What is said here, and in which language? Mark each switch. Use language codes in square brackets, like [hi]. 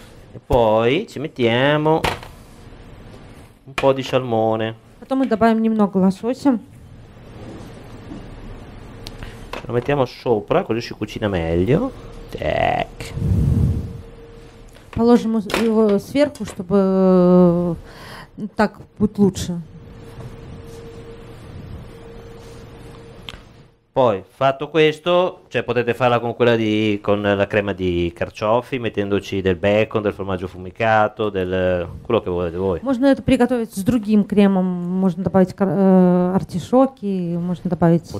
[it] E poi ci mettiamo un po' di salmone. [ru] Потом мы добавим немного лосося. [it] Lo mettiamo sopra, così si cucina meglio. [ru] Так. Положим его сверху, чтобы так будет лучше. [it] Poi, fatto questo, cioè potete farla con quella di con la crema di carciofi, mettendoci del bacon, del formaggio affumicato, del quello che volete voi. [ru] Можно это приготовить с другим кремом, можно добавить артишоки, можно добавить бекон.